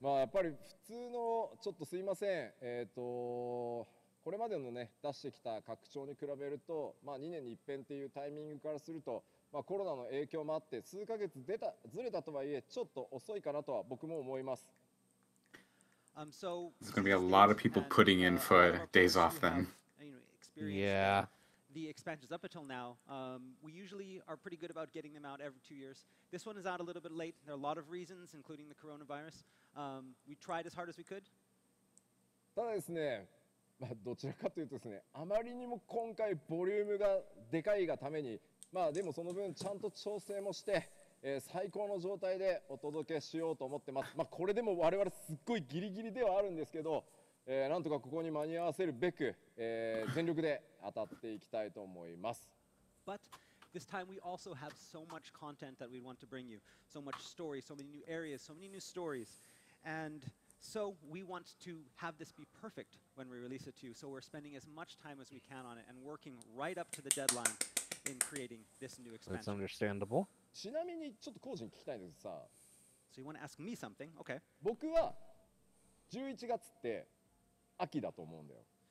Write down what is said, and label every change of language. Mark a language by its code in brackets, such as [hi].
[ja] まあやっぱり普通の、ちょっとすいません。これまでのね出してきた拡張に比べると、まあ2年に一遍っていうタイミングからすると、まあコロナの影響もあって数ヶ月出たずれたとはいえちょっと遅いかなとは僕も思います。 [en] So it's going to be a lot of people putting in for days off then. Yeah. The expansions up until now, we usually are pretty good about getting them out every 2 years. This one is out a little bit late. There are a lot of reasons, including the coronavirus. We tried as hard as we could. [ja] ただですね。まあ、どちらかというとですね、あまりにも今回ボリュームがでかいがために、まあでもその分ちゃんと調整もして、最高の状態でお届けしようと思ってます。まあこれでも我々すっごいギリギリではあるんですけど、なんとかここに間に合わせるべく、全力で当たっていきたいと思います。 [en] But this time we also have so much content that we want to bring you. So much story, so many new areas, so many new stories. AndSo we want to have this be perfect when we release it to you. So we're spending as much time as we can on it and working right up to the deadline in creating this new expansion. That's understandable. [ja] ちなみにちょっとコージに聞きたいんですさ。 [en] So you want to ask me something? Okay. [ja] 僕は11月って秋だと思うんだよ。